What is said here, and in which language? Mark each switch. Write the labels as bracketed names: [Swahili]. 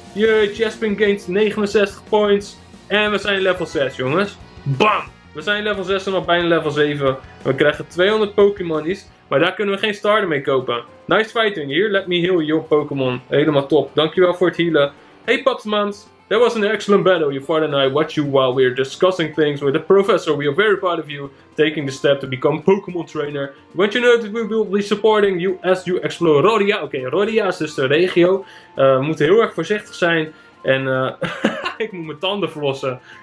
[Dutch] Yeah, [English] Chespin gains 69 points. [Dutch] En we zijn level 6, jongens. Bam! We zijn level 6 en al bijna level 7. We krijgen 200 Pokémonies. Maar daar kunnen we geen starter mee kopen. [English] Nice fighting here. Let me heal your Pokémon. [Dutch] Helemaal top. Dankjewel voor het healen. [English] Hey Papsmans. That was an excellent battle. Your father and I watch you while we're discussing things with the professor. We are very proud of you taking the step to become Pokémon trainer. Want you know that we will be supporting you as you explore Rodia. [Dutch] Oké, Rodia is dus de regio. We moeten heel erg voorzichtig zijn. En ik moet mijn tanden verlossen.